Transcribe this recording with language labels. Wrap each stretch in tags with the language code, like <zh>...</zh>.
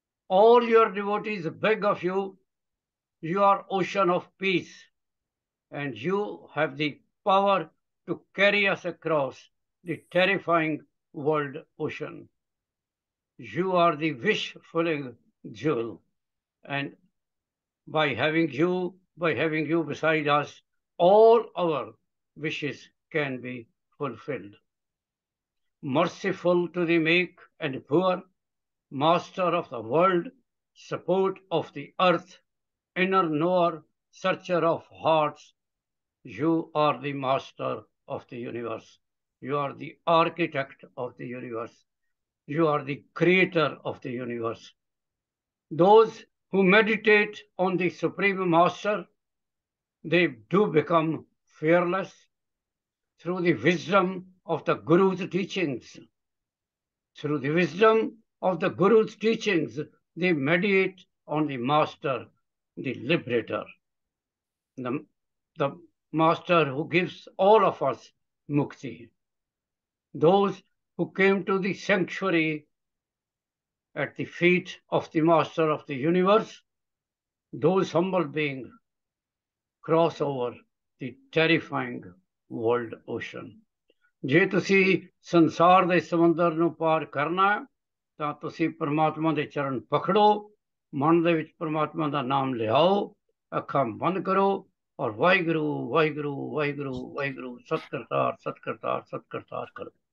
<en>All your devotees big of you, you are ocean of peace, and you have the power to carry us across the terrifying world ocean, you are the wish fulfilling jewel, and by having you beside us, all our wishes can be fulfilled. Merciful to the meek and poor, master of the world, support of the earth, inner knower, searcher of hearts, you are the master of the universe, you are the architect of the universe, you are the creator of the universe. Those who meditate on the supreme master, they do become fearless through the wisdom of the Guru's teachings. Through the wisdom of the Guru's teachings, they meditate on the Master, the Liberator, the Master who gives all of us mukti. Those who came to the sanctuary at the feet of the Master of the Universe, those humble beings cross over the terrifying world ocean.</en> <pa>ਜੇ ਤੁਸੀਂ ਸੰਸਾਰ ਦੇ ਸਮੁੰਦਰ ਨੂੰ ਪਾਰ ਕਰਨਾ ਤਾਂ ਤੁਸੀਂ ਪਰਮਾਤਮਾ ਦੇ ਚਰਨ ਪਕੜੋ, ਮਨ ਦੇ ਵਿੱਚ ਪਰਮਾਤਮਾ ਦਾ ਨਾਮ ਲਿਆਓ, ਅੱਖਾਂ ਬੰਦ ਕਰੋ ਔਰ ਵਾਹਿਗੁਰੂ ਵਾਹਿਗੁਰੂ ਵਾਹਿਗੁਰੂ ਵਾਹਿਗੁਰੂ ਸਤਿਕਰਤਾਰ ਸਤਿਕਰਤਾਰ ਸਤਿਕਰਤਾਰ ਕਰੋ।</pa>